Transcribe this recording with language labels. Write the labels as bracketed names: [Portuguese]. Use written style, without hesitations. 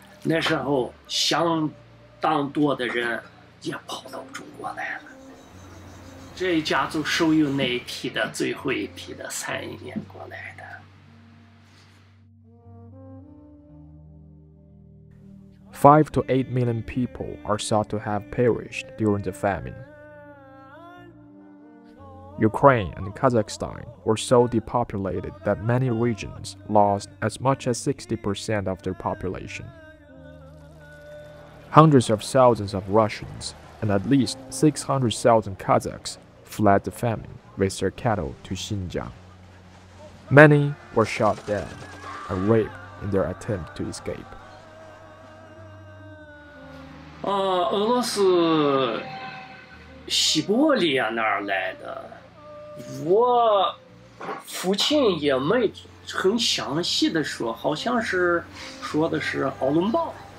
[Chinese] 那时候相当多的人也跑到中国来了，这一家族属于那一批的最后一批的三一年过来的。 [English] 5 to 8 million people are thought to have perished during the famine. Ukraine and Kazakhstan were so depopulated that many regions lost as much as 60% of their population. Hundreds of thousands of Russians and at least 600,000 Kazakhs fled the famine with their cattle to Xinjiang. Many were shot dead and raped in their attempt to escape. [Chinese] 俄罗斯西伯利亚那儿来的，我父亲也没很详细的说，好像是说的是奥伦堡，